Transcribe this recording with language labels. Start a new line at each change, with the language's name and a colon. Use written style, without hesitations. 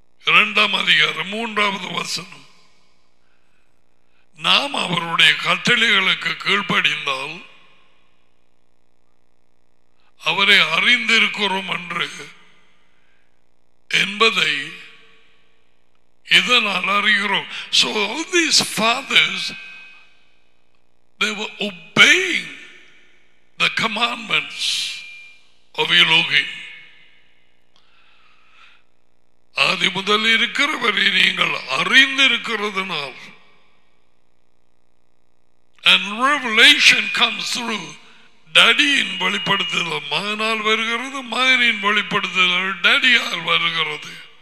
Tamil: இரண்டாம் அதிகாரம் மூன்றாவது வசனம், நாம் அவருடைய கட்டளைகளுக்கு கீழ்ப்படிந்தால் அவரை அறிந்திருக்கிறோம் என்று என்பதை இதனால் அறிகிறோம்.
English: So all these fathers, they were obeying the commandments of Elohim.
Tamil: ஆதி முதல் இருக்கிறவரை நீங்கள் அறிந்திருக்கிறதுனால்,
English: and revelation comes through
Tamil: டாடியின் வெளிப்படுத்துதல், மகனால் வருகிறது, மகனின் வெளிப்படுத்துதல் டாடியால் வருகிறது.